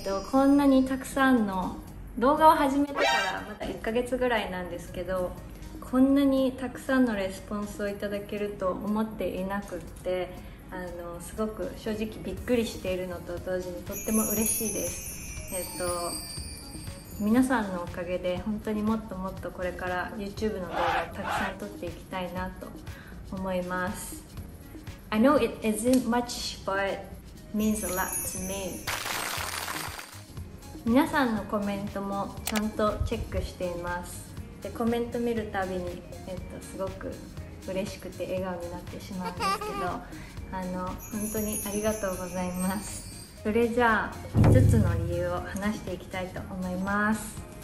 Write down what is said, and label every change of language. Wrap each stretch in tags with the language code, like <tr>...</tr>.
<ja>こんなにたくさんの動画を始めてからまだ1ヶ月ぐらいなんですけど、こんなにたくさんのレスポンスをいただけると思っていなくって、すごく正直びっくりしているのと同時にとっても嬉しいです。皆さんのおかげで本当にもっともっとこれから YouTube の動画をたくさん撮っていきたいなと思います。</ja> <en>I know it isn't much but it means a lot to me。</en> <ja>皆さんのコメントもちゃんとチェックしています。でコメント見るたびに、すごく嬉しくて笑顔になってしまうんですけど、本当にありがとうございます。それじゃあ5つの理由を話していきたいと思います。</ja>